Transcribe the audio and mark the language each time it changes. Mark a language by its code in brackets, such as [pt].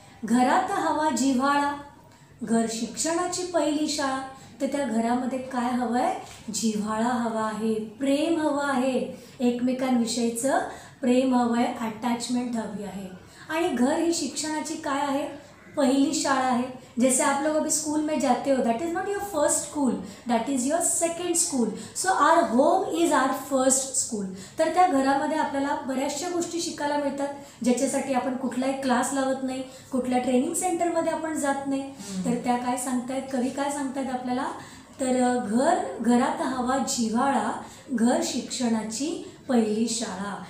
[mr] घरात हवा जिव्हाळा, घर शिक्षणाची पहिली शाळा. तर त्या घरामध्ये काय हवं आहे, जिव्हाळा हवा आहे, प्रेम हवं आहे, एकमेकांविषयीचं प्रेम हवं आहे, अटॅचमेंट हवी आहे. आणि घर ही शिक्षणाची काय आहे, पहिली शाळा आहे. [hi] जैसे आप लोग अभी स्कूल में जाते हो, [en] That is not your first school, that is your second school. So our home is our first school. [mr] तर त्या घरामध्ये आपल्याला बऱ्याचशा गोष्टी शिकायला मिळतात, ज्याच्यासाठी आपण कुठलाही क्लास लावत नाही, कुठल्या ट्रेनिंग सेंटरमध्ये आपण जात नाही. तर त्या काय सांगतायत, कवी काय सांगतायत आपल्याला, तर घरात हवा जिव्हाळा, घर शिक्षणाची पहिली शाळा.